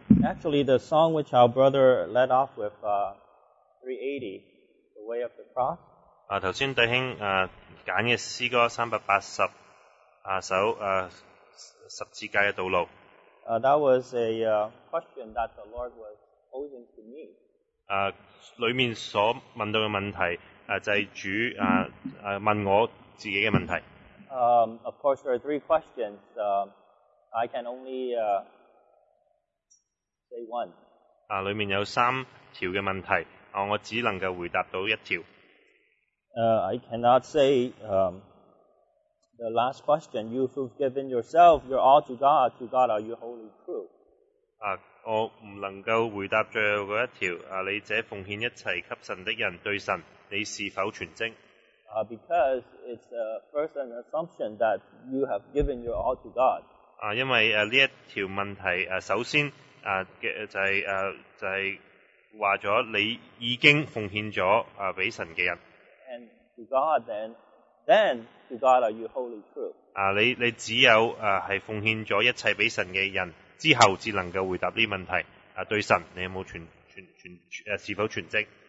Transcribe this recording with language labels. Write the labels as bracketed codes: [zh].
[en] Actually, the song which our brother led off with, 380, The Way of the Cross. [yue] 剛才弟兄揀的詩歌380首十字架的道路。 [en] That was a question that the Lord was posing to me. [yue] 裡面所問到的問題就是主問我自己的問題。 [en] Of course, there are three questions. I can only say one. [yue] 裡面有三條的問題，我只能夠回答到一條。 [en] I cannot say the last question. You who have given yourself, your all to God are you holy, true? [yue] 我唔能够回答最后嗰一条啊，你这奉献一切给神的人，对神你是否全精？ [en] Because it's first an assumption that you have given your all to God. [yue] 因为呢一条问题首先就系话咗你已经奉献咗俾神嘅人。 [en] And to God, then to God are you wholly true? [yue] 你只有系奉献咗一切俾神嘅人之后，至能够回答呢问题。对神，你有冇全是否全职